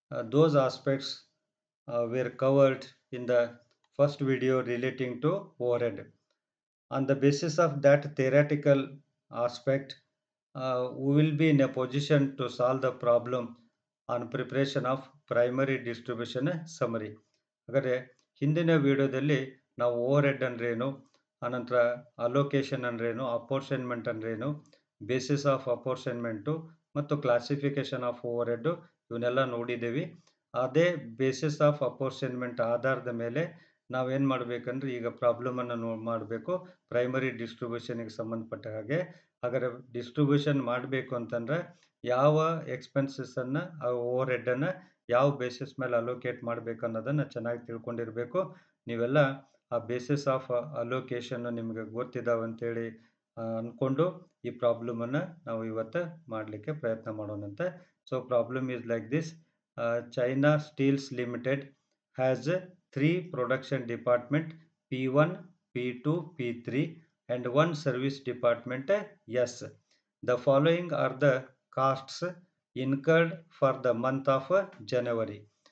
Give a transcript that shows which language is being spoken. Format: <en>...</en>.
<en>Those aspects were covered in the first video relating to overhead. On the basis of that theoretical aspect, we will be in a position to solve the problem on preparation of primary distribution summary.</en> <kn>ಹಾಗಾದರೆ ಹಿಂದಿನ ವಿಡಿಯೋದಲ್ಲಿ ನಾವು over head ಅಂದ್ರೇನು, ಆನಂತರ allocation ಅಂದ್ರೇನು, apportionment ಅಂದ್ರೇನು, basis of ಅಪೋರ್ಷನ್ಮೆಂಟು ಮತ್ತು classification of over head ಇವನ್ನೆಲ್ಲ ನೋಡಿದ್ದೀವಿ. ಅದೇ ಬೇಸಿಸ್ ಆಫ್ ಅಪೋರ್ಷನ್ಮೆಂಟ್ ಆಧಾರದ ಮೇಲೆ ನಾವೇನು ಮಾಡಬೇಕಂದ್ರೆ ಈಗ ಪ್ರಾಬ್ಲಮನ್ನು ಮಾಡಬೇಕು ಪ್ರೈಮರಿ ಡಿಸ್ಟ್ರಿಬ್ಯೂಷನ್ಗೆ ಸಂಬಂಧಪಟ್ಟ ಹಾಗೆ. ಹಾಗಾದರೆ ಡಿಸ್ಟ್ರಿಬ್ಯೂಷನ್ ಮಾಡಬೇಕು ಅಂತಂದರೆ ಯಾವ ಎಕ್ಸ್ಪೆನ್ಸಸ್ಸನ್ನು ಓವರ್ ಹೆಡ್ಡನ್ನು ಯಾವ ಬೇಸಿಸ್ ಮೇಲೆ ಅಲೋಕೇಟ್ ಮಾಡಬೇಕು ಅನ್ನೋದನ್ನು ಚೆನ್ನಾಗಿ ತಿಳ್ಕೊಂಡಿರಬೇಕು. ನೀವೆಲ್ಲ ಆ ಬೇಸಿಸ್ ಆಫ್ ಅಲೋಕೇಶನ್ನು ನಿಮಗೆ ಗೊತ್ತಿದ್ದಾವೆ ಅಂತೇಳಿ ಅಂದ್ಕೊಂಡು ಈ ಪ್ರಾಬ್ಲಮನ್ನು ನಾವು ಇವತ್ತು ಮಾಡಲಿಕ್ಕೆ ಪ್ರಯತ್ನ ಮಾಡೋಣಂತೆ.</kn> <en>So problem is like this. China steels limited has three production department P1, P2, P3 and one service department S. The following are the costs incurred for the month of January.</en>